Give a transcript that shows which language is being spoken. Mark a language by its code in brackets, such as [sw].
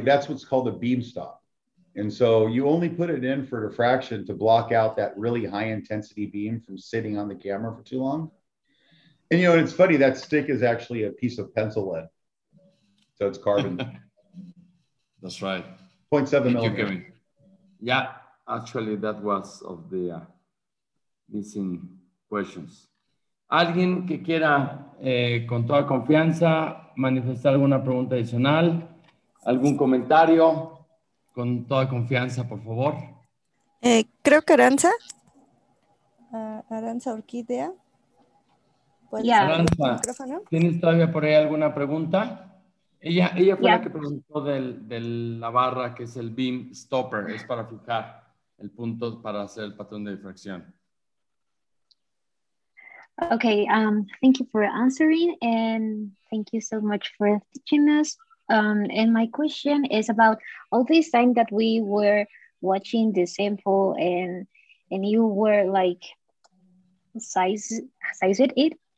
[en] That's what's called a beam stop. And so you only put it in for diffraction to block out that really high intensity beam from sitting on the camera for too long. And, you know, it's funny. That stick is actually a piece of pencil lead. So it's carbon. That's right. 0.7 millimeters. Yeah, actually, that was of the missing questions. [es] ¿Alguien que quiera, con toda confianza, manifestar alguna pregunta adicional? ¿Algún comentario? Con toda confianza, por favor. Creo que Aranza. Aranza Orquídea. Yeah. Aranza, ¿tienes todavía por ahí alguna pregunta? Ella fue la que preguntó de la barra, que es el beam stopper. Es para fijar el punto para hacer el patrón de difracción. [en] Okay, thank you for answering, and thank you so much for teaching us. And my question is about all this time that we were watching the sample and you were like sizing it.